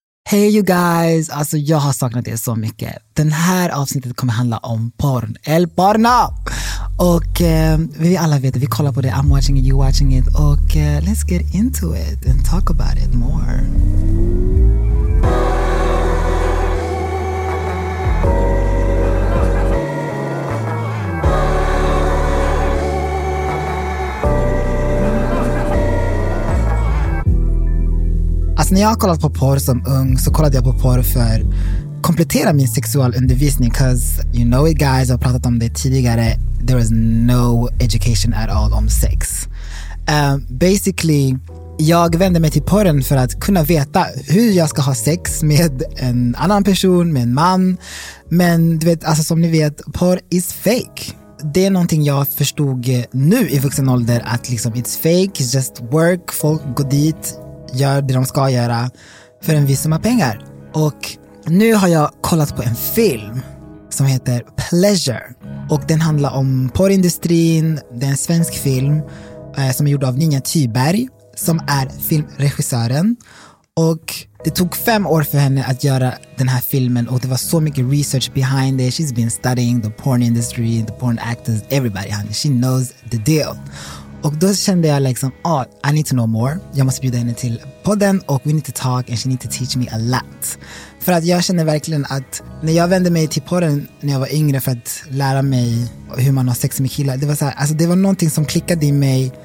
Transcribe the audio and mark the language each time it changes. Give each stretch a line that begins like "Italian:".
English: Hey you guys,
Swedish: alltså jag har saknat er så mycket. Den här avsnittet kommer handla om porn, el porno. Och vi alla vet, vi kollar på det,
English: I'm watching it, you watching it. Och let's get into it and talk about it more.
Swedish: Alltså när jag har kollat på porr som ung så kollade jag på porr för att komplettera min sexualundervisning.
English: Because you know it guys,
Swedish: jag har pratat om det tidigare.
English: There was no education at all om sex.
Swedish: Basically, jag vände mig till porren för att kunna veta hur jag ska ha sex med en annan person, med en man. Men du vet, alltså som ni vet, porr is fake. Det är någonting jag förstod nu i vuxen ålder att liksom,
English: it's fake, it's just work,
Swedish: folk går dit, gör det de ska göra för en viss summa pengar. Och nu har jag kollat på en film som heter Pleasure. Och den handlar om porrindustrin. Det är en svensk film som är gjord av Ninja Thyberg som är filmregissören. Och det tog 5 år för henne att göra den här filmen och det var så mycket research
English: behind it. She's been studying the porn industry, the porn actors, everybody. She knows the deal.
Swedish: Och då kände jag liksom,
English: oh, I need to know more.
Swedish: Jag måste bjuda henne till podden och
English: we need to talk and she need to teach me a lot.
Swedish: För att jag känner verkligen att när jag vände mig till podden när jag var yngre för att lära mig hur man har sex med killar, det var så här, alltså det var någonting som klickade i mig.